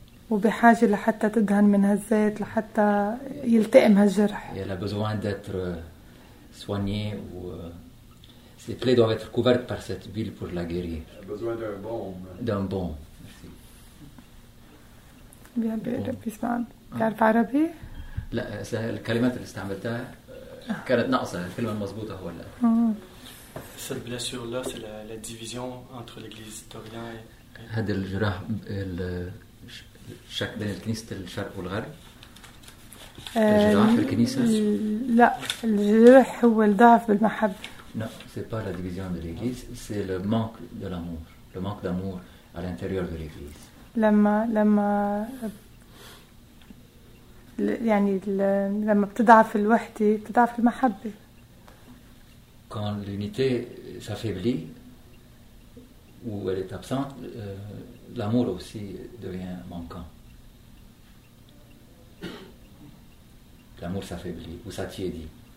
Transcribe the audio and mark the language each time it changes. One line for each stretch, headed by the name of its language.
Arabic: وبحاجة لحتى تدهن من هالزيت لحتى يلتئم هالجرح.
French: Il a besoin d'être soigné ou ses plaies doivent être couvertes par cette huile pour la guérir. Il a besoin d'un baume. D'un baume. Merci. Bien bien, بسمان.
Arabic: تعرف عربي؟ لا، الكلمات اللي استعملتها كانت ناقصة، الكلمة المضبوطة هو لا.
French: Cette blessure là, c'est la division entre l'Église d'Orient et.
Arabic: هذا الجرح ال شك بين الكنيسة الشرق والغرب. الجرح في الكنيسة. لا، الجرح هو الضعف بالمحبة.
French: Non, c'est pas la division de l'Église, c'est le manque de l'amour, le manque d'amour à l'intérieur de l'Église.
Arabic: لما يعني لما بتضعف الوحدة بتضعف المحبة.
French: Quand l'unité s'affaiblit ou elle est absente, l'amour aussi devient manquant. L'amour s'affaiblit ou s'attiédit.